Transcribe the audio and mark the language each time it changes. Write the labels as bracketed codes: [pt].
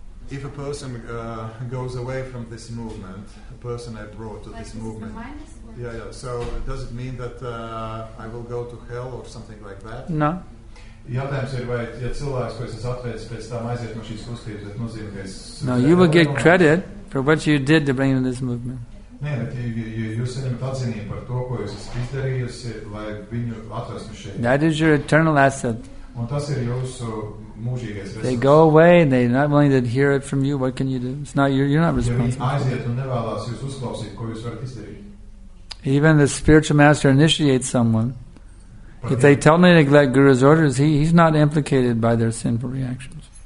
[en] If a person goes away from this movement, a person I brought to like this movement, mind, yeah, yeah. So does it mean that I will go to hell or something like that? No. [lv] Jautājums ir, vai, ja cilvēks, ko es atveicu, pēc tam aiziet no šīs kustības, bet nozīmē, ka es... [en] No, you will get credit for what you did to bring in this movement. [lv] Nē, bet jūs saņemat atzinību par to, ko jūs esat izdarījusi, lai viņu atrastu šeit. [en] That is your eternal asset. [lv] Un tas ir jūsu mūžīgais resurs. [en] They go away and they're not willing to hear it from you. What can you do? It's not you're not responsible. [lv] Ja viņi aiziet un nevēlās jūs uzklausīt, ko jūs varat izdarīt. [en] Even the spiritual master initiates someone. If they tell me to neglect Guru's orders, he's not implicated by their sinful reactions.